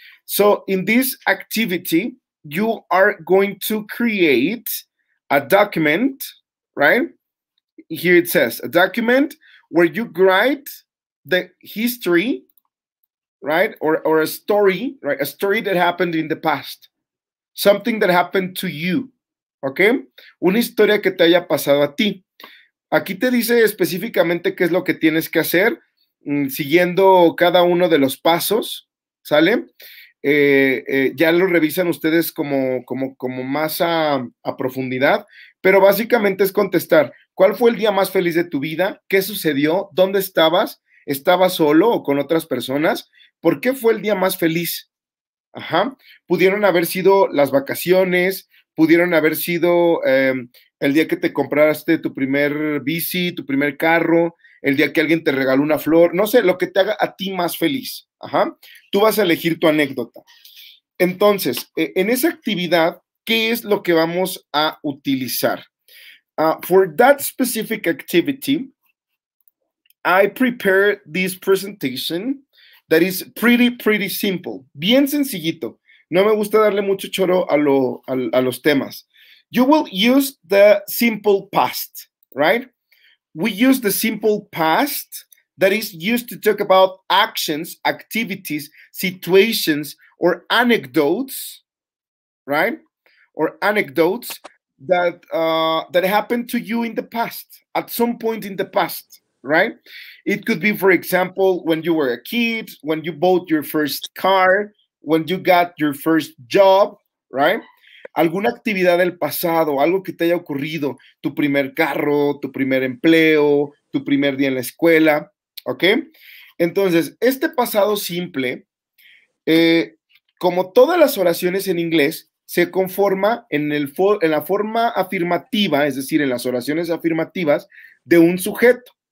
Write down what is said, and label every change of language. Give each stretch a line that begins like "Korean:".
English: So, in this activity, you are going to create a document, right? here it says, a document where you write the history, right? Or a story, right? A story that happened in the past. Something that happened to you, okay?
Spanish: Una historia que te haya pasado a ti. Aquí te dice específicamente qué es lo que tienes que hacer, siguiendo cada uno de los pasos, ¿sale? Ya lo revisan ustedes como más a profundidad, pero básicamente es contestar, ¿cuál fue el día más feliz de tu vida? ¿Qué sucedió? ¿Dónde estabas? ¿Estabas solo o con otras personas? ¿Por qué fue el día más feliz? Ajá. Pudieron haber sido las vacaciones, pudieron haber sido el día que te compraste tu primer bici, tu primer carro, el día que alguien te regaló una flor, no sé, lo que te haga a ti más feliz. Ajá. Tú vas a elegir tu anécdota. Entonces, en esa actividad, ¿qué es lo que vamos a utilizar?
English: For that specific activity, I prepared this presentation that is pretty, pretty simple.
Spanish: Bien sencillito. No me gusta darle mucho choro a los temas.
English: You will use the simple past, right? We use the simple past that is used to talk about actions, activities, situations, or anecdotes, right? Or anecdotes that happened to you in the past, at some point in the past, right? It could be, for example, when you were a kid, when you bought your first car, when you got your first job, right?
Spanish: Alguna actividad del pasado, algo que te haya ocurrido, tu primer carro, tu primer empleo, tu primer día en la escuela, ¿ok? Entonces, este pasado simple, como todas las oraciones en inglés, se conforma en la forma afirmativa, es decir, en las oraciones afirmativas, de un sujeto.